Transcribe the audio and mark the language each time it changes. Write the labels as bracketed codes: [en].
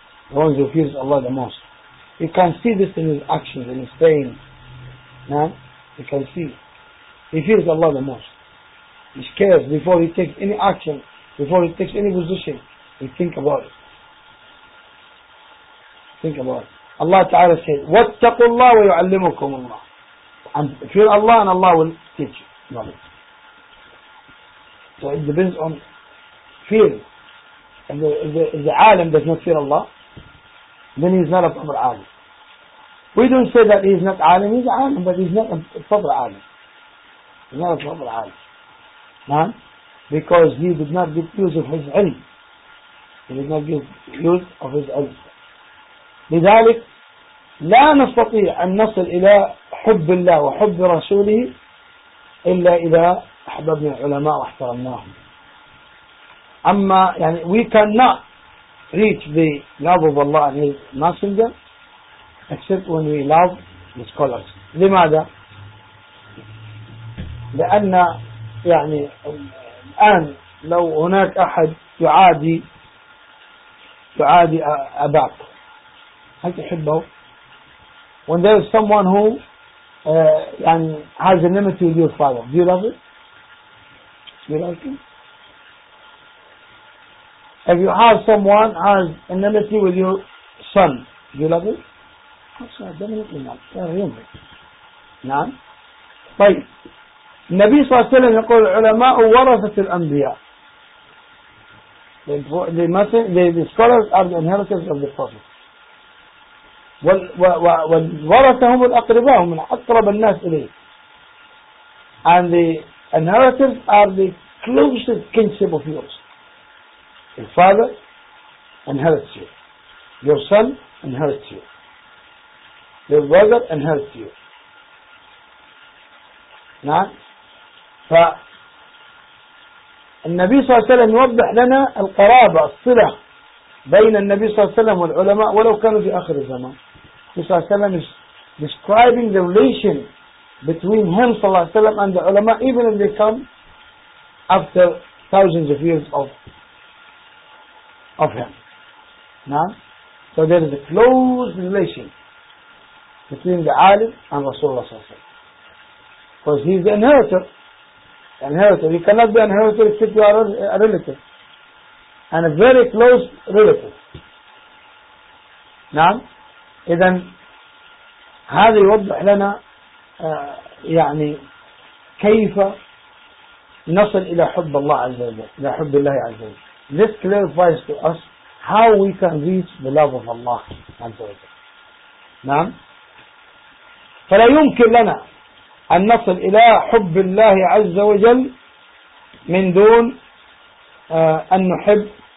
[en] The one who fears Allah the most. You can see this in his actions, in his sayings. No? You can see. He fears Allah the most. He scares before he takes any action, before he takes any position. And think about it. Think about it. Allah Ta'ala said, [ar] وَاتَّقُوا اللَّهُ وَيُعَلِّمُكُمُ اللَّهُ. [en] And fear Allah and Allah will teach you. So it depends on fear. If the alim does not fear Allah, then he is not a proper alim. We don't say that he is not alim. He is alim, but he is not a proper alim. He is not a proper alim. Huh? Because he did not get use of his ilm. He did not give use of his ilm. [ar] لذلك لا نستطيع أن نصل إلى حب الله وحب رسوله إلا إذا أحببنا العلماء واحترمناهم. [en] أما يعني we cannot reach the love of Allah and His Messenger except when we love the scholars. [ar] لماذا؟ لأن يعني الآن لو هناك أحد يعادي أباك هل تحبه؟ [en] When there is someone who يعني has an enmity with your father, do you love it? Do you like him? If you have someone has an enmity with your son, do you love it? Absolutely, definitely not. They're human. نعم. [ar] طيب النبي صلى الله عليه وسلم يقول العلماء ورثة الأنبياء. [en] The scholars are the inheritors of the prophet. [ar] والورثهم الأقرباء هم من أقرب الناس إليه. [en] And the inheritors are the closest kinship of yours. Your father inherits you. Your son inherits you. Your brother inherits you. [ar] نعم. ف النبي صلى الله عليه وسلم يوضح لنا القرابة الصلة بين النبي صلى الله عليه وسلم والعلماء ولو كانوا في آخر الزمان. [en] النبي صلى الله عليه وسلم is describing the relation between him صلى الله عليه وسلم and the ulama even if they come after thousands of years of him. [ar] نعم. [en] So there is a close relation between the alim and رسول الله صلى الله عليه وسلم because he is the inheritor. Inheritor. You cannot be an inheritor if you are a relative. And a very close relative. [ar] نعم. إذن هذا يوضح لنا يعني كيف نصل إلى حب الله عز وجل. إلى حب الله عز وجل. [en] This clarifies to us how we can reach the love of Allah عز وجل. [ar] نعم. فلا يمكن لنا أن نصل إلى حب الله عز وجل من دون أن نحب